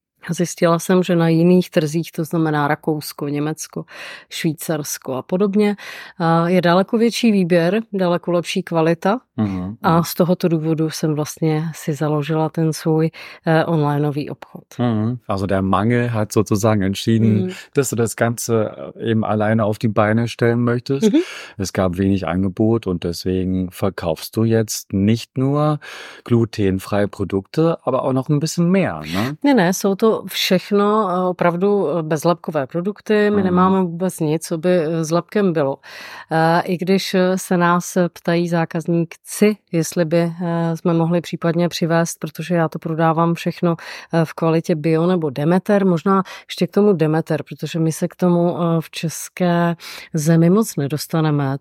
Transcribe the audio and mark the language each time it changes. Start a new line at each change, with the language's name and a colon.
Czech: Zjistila jsem, že na jiných trzích, to znamená Rakousko, Německo, Švýcarsko a podobně, je daleko větší výběr, daleko lepší kvalita A z tohoto důvodu jsem vlastně si založila ten svůj onlineový obchod.
German: Also der Mangel hat sozusagen entschieden, dass du das Ganze eben alleine auf die Beine stellen möchtest. Es gab wenig Angebot und deswegen verkaufst du jetzt nicht nur glutenfreie Produkte, aber auch noch ein bisschen mehr. Ne?
Czech: Ne, jsou to všechno opravdu bezlepkové produkty. My nemáme vůbec nic, co by s lepkem bylo. I když se nás ptají zákazníci, jestli by jsme mohli případně přivést, protože já to prodávám všechno v kvalitě bio nebo Demeter, možná ještě k tomu Demeter, protože my se k tomu v české zemi moc nedostaneme.